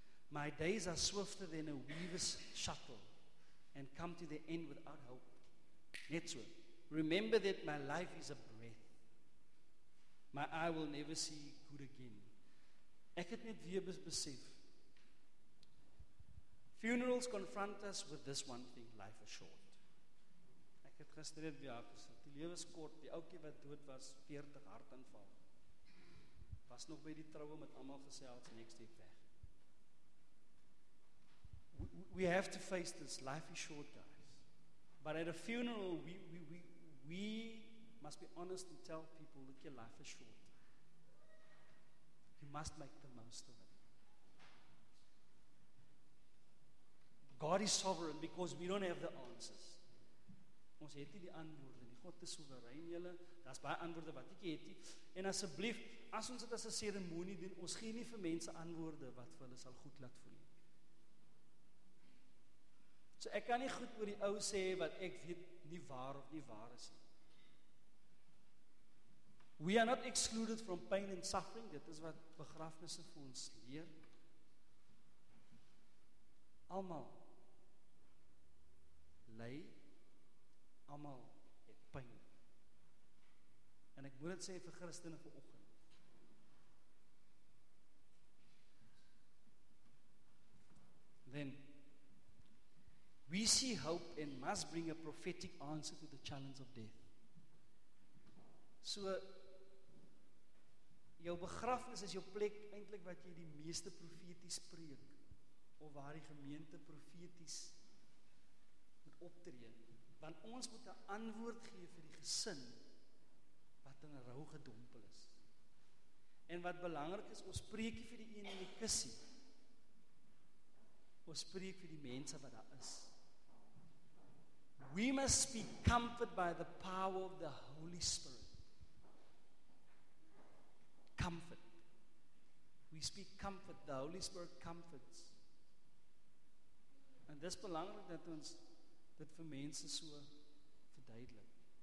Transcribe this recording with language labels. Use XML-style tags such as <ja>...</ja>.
<en>My days are swifter than a weaver's shuttle and come to the end without hope. Netzwerk. Remember that my life is a breath. My eye will never see good again.</en> <af>Ek het net weer besef.</af> <en>Funerals confront us with this one thing, life is short.</en> <af>Ek het gister net weer gesê, die lewe is kort, die ouetjie wat dood was, 40 hartaanval. Was nog by die troue met almal gesels,</af> <en>next week</en> <af>weg.</af> <en>We have to face this, life is short, guys. But at a funeral, we must be honest and tell people, look, your life is short. You must make the most of it. God is sovereign because we don't have the answers.</en> <af>Ons het nie die antwoorde nie. God is soewerein, julle. Daar's baie antwoorde wat ek het nie. En asseblief, as ons dit as 'n seremonie doen, ons gee nie vir mense antwoorde wat vir hulle sal goed laat voel. So ek kan nie goed oor die ou sê wat ek weet nie waar of nie waar is nie.</af> <en>We are not excluded from pain and suffering.</en> <af>Dit is wat begrafnisse vir ons leer. Almal ly, almal het pyn. En ek moet dit sê vir Christene vir oggend.</af> <en>Then we see hope and must bring a prophetic answer to the challenge of death.</en> <af>So jou begrafnis is jou plek eintlik wat jy die meeste profeties spreek of waar die gemeente profeties moet optree, want ons moet 'n antwoord gee vir die gesin wat in rou gedompel is. En wat belangrik is, ons spreek nie vir die een in die kussie. Ons spreek vir die mense wat daar is.</af> <en>We must speak comfort by the power of the Holy Spirit. Comfort. We speak comfort. The Holy Spirit comforts.</en> <af>En dis belangrik dat ons dit vir mense so verduidelik.</af>